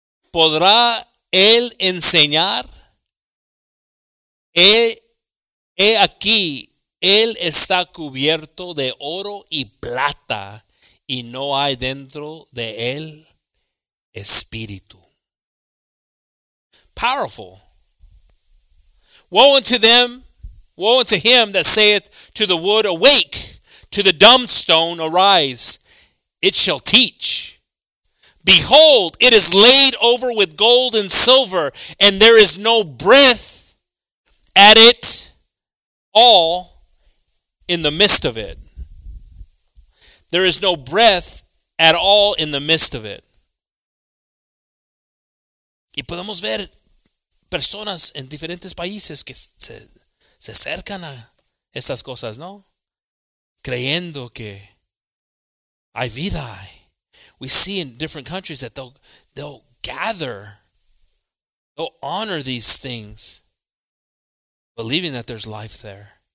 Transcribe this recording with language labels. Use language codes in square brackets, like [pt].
[es] ¿Podrá él enseñar? He aquí, él está cubierto de oro y plata, y no hay dentro de él espíritu. [en] Powerful. Woe unto him that saith to the wood, awake, to the dumb stone, arise, it shall teach. Behold, it is laid over with gold and silver, and there is no breath at it. All in the midst of it. There is no breath at all in the midst of it. [es] Y podemos ver personas en diferentes países que se acercan a estas cosas, ¿no? Creyendo que hay vida. [en] We see in different countries that they'll gather. They'll honor these things. Believing that there's life there.